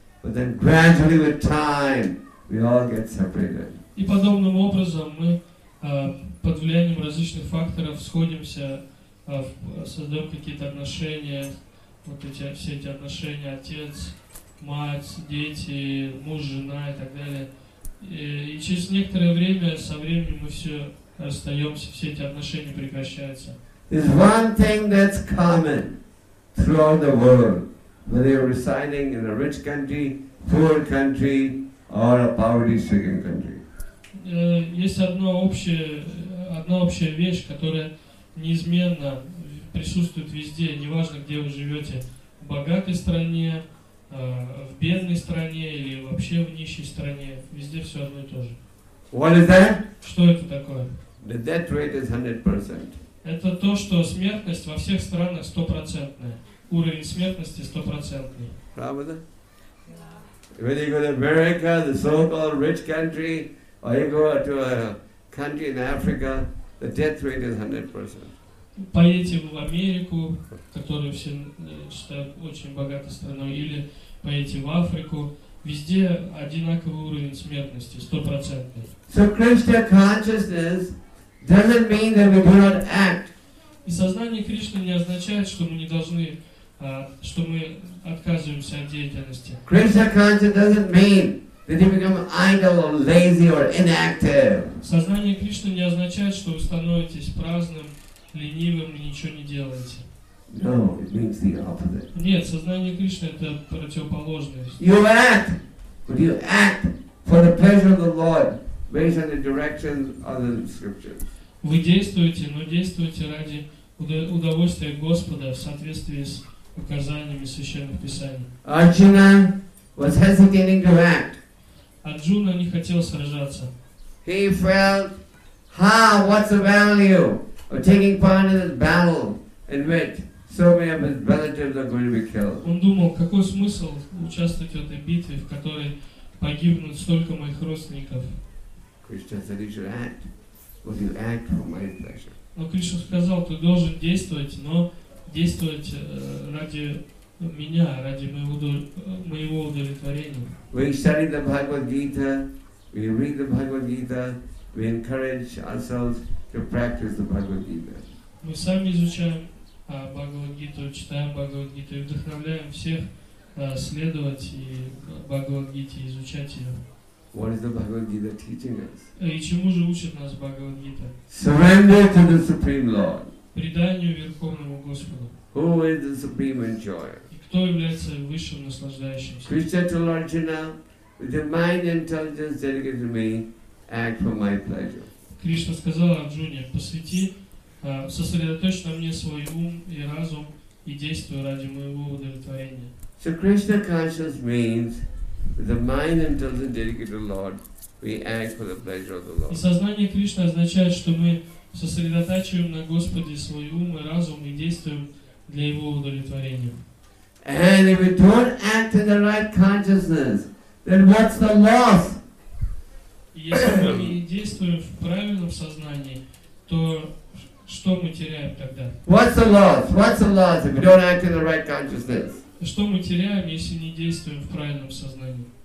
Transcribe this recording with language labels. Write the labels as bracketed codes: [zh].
[en] But then gradually, with time, we all get separated. [ru] И подобным образом мы под влиянием различных факторов сходимся, создаем какие-то отношения, вот эти все эти отношения: отец, мать, дети, муж, жена и так далее. И через некоторое время, со временем мы все расстаемся, все эти отношения прекращаются. [en] There's one thing that's common throughout the world, whether you're residing in a rich country, poor country, or a poverty-stricken country. [ru] Есть одна общая вещь, которая неизменно присутствует везде, неважно, где вы живете, богатой стране, в бедной стране или вообще в нищей стране. Везде все одно и то же. [en] What is that? [ru] Что это такое? [en] The death rate is 100%. [ru] Это то, что смертность во всех странах 100%. Уровень смертности 100%. Правда? [en] When you go to America, the so-called rich country, or you go to a country in Africa, the death rate is 100%. [ru] Поедете в Америку, которую все считают очень богатой страной, или поедете в Африку, везде одинаковый уровень смертности, 100%. [en] So Krishna consciousness doesn't mean that we do not act. [ru] И сознание Кришны не означает, что мы не должны, что мы отказываемся от деятельности. [en] Krishna consciousness doesn't mean that you become idle or lazy or inactive. [ru] Сознание Кришны не означает, что вы становитесь праздным, ленивым и ничего не делаете. [en] No, it means the opposite. [ru] Нет, сознание Кришны — это противоположность. [en] You act, but you act for the pleasure of the Lord, based on the directions of the scriptures. [ru] Вы действуете, но действуете ради удовольствия Господа в соответствии с указаниями священных писаний. [en] Arjuna was hesitating to act. [ru] Арджуна не хотел сражаться. [en] He felt, what's the value of taking part in this battle in which so many of his relatives are going to be killed? [ru] Он думал, какой смысл участвовать в этой битве, в которой погибнут столько моих родственников? [en] Krishna said he should act, but you act for my pleasure. [ru] Но Кришна сказал, ты должен действовать, но действовать ради меня, ради моего удовлетворения. [en] We study the Bhagavad Gita, we read the Bhagavad Gita, we encourage ourselves to practice the Bhagavad Gita. [ru] Мы сами изучаем Бхагавад Гиту, читаем Бхагавад Гиту и вдохновляем всех следовать Бхагавад Гите, изучать ее. [en] What is the Bhagavad Gita teaching us? [ru] И чему же учит нас Бхагавад Гита? [en] Surrender to the Supreme Lord. [ru] Преданию Верховному Господу. [en] Who is the Supreme Enjoyer? [ru] И кто является высшим наслаждающимся? [en] Krishna told Arjuna, with your mind intelligence dedicated to me, act for my pleasure. [ru] Кришна сказал Арджуне, посвяти, сосредоточь на мне свой ум и разум и действуй ради моего удовлетворения. [en] So Krishna consciousness means, with the mind intelligence dedicated to the Lord, we act for the pleasure of the Lord. [ru] И сознание Кришны означает, что мы сосредотачиваем на Господе свой ум и разум и действуем для Его удовлетворения. [en] And if we don't act in the right consciousness, then what's the loss? [ru] Если мы не действуем в правильном сознании, то что мы теряем тогда? [en] What's the loss? What's the loss if we don't act in the right consciousness? [ru] Что мы теряем, если не действуем в правильном сознании?